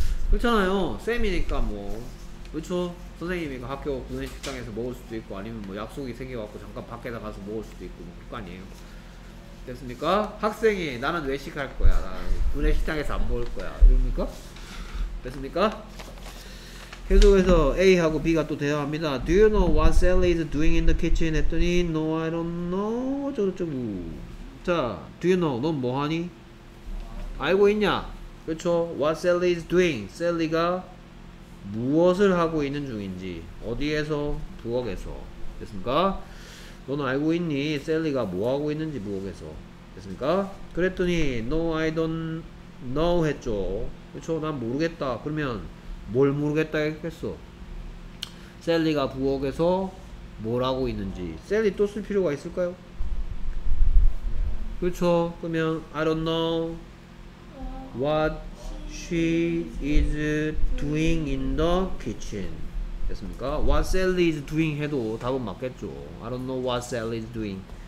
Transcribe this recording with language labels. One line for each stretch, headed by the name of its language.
Korean: 그렇잖아요. 쌤이니까 뭐 그렇죠? 선생님이가 학교 구내 식당에서 먹을 수도 있고 아니면 뭐 약속이 생겨갖고 잠깐 밖에 나가서 먹을 수도 있고 뭐 그런 거 아니에요. 됐습니까? 학생이 나는 외식할 거야. 나는 구내 식당에서 안 먹을 거야. 이럽니까? 됐습니까? 계속해서 A하고 B가 또 대화합니다.
English: Do you know what Sally is doing in the kitchen?
Korean: 했더니
English: No, I don't know.
Korean: 어쩌고저쩌고. 자, Do you know? 넌 뭐하니? 알고 있냐? 그렇죠?
English: What Sally is doing?
Korean: Sally가 무엇을 하고 있는 중인지 어디에서? 부엌에서. 됐습니까? 너는 알고 있니? 셀리가 뭐하고 있는지 부엌에서. 됐습니까? 그랬더니
English: No, I don't know
Korean: 했죠. 그렇죠? 난 모르겠다. 그러면 뭘 모르겠다 했겠어? 셀리가 부엌에서 뭘 하고 있는지. 셀리 또 쓸 필요가 있을까요? 그렇죠?
English: 그러면 I don't know what she is doing in the kitchen.
Korean: 됐습니까?
English: What Sally is doing
Korean: 해도 답은 맞겠죠.
English: I don't know what Sally is doing.